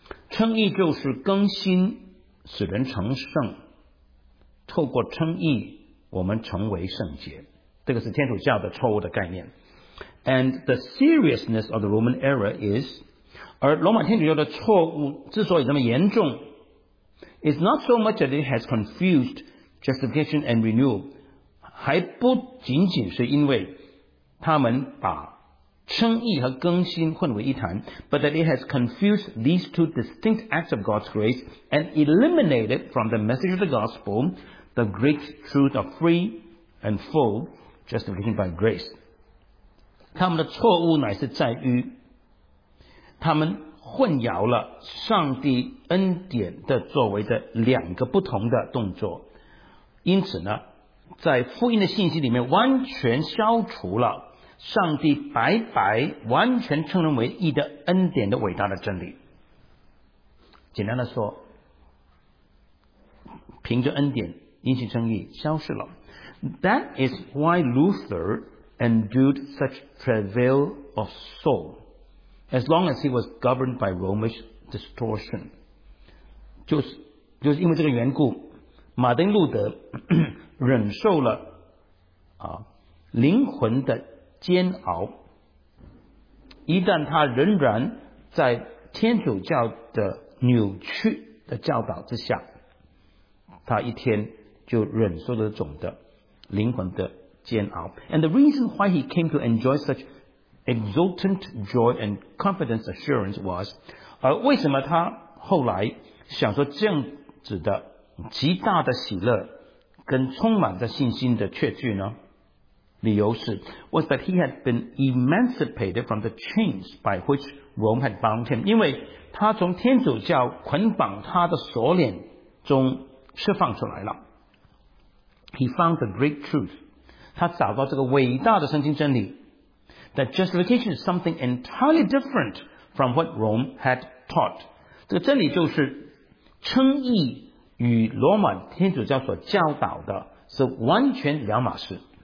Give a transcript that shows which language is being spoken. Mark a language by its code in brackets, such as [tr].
[zh] 称义就是更新使人成圣，透过称义我们成为圣洁。这个是天主教的错误的概念。 [en] And the seriousness of the Roman error is, [zh] 而罗马天主教的错误之所以这么严重， [en] is not so much that it has confused justification and renewal, [zh] 还不仅仅是因为他们把称义和更新混为一谈， [en] but that it has confused these two distinct acts of God's grace and eliminated from the message of the gospel the great truth of free and full justification by grace. [zh] 他们的错误乃是在于他们混淆了上帝恩典的作为的两个不同的动作，因此呢，在福音的信息里面完全消除了上帝白白完全称人为义的恩典的伟大的真理。简单的说，凭着恩典因信称义消失了。 [en] That is why Luther endured such travail of soul as long as he was governed by Romish distortion. [zh] 就是因为这个缘故，马丁路德忍受了灵魂的煎熬。一旦他仍然在天主教的扭曲的教导之下，他一天就忍受了种的灵魂的煎熬。 [en] And the reason why he came to enjoy such exultant joy and confidence assurance was, [zh] 而为什么他后来享受这样子的极大的喜乐跟充满着信心的确据呢？理由是 [en] was that he had been emancipated from the chains by which Rome had bound him. [zh] 因为他从天主教捆绑他的锁链中释放出来了。 [en] He found the great truth. [zh] 他找到这个伟大的圣经真理 [en] that justification is something entirely different from what Rome had taught. [zh] 这里就是称义与罗马天主教所教导的是完全两码事。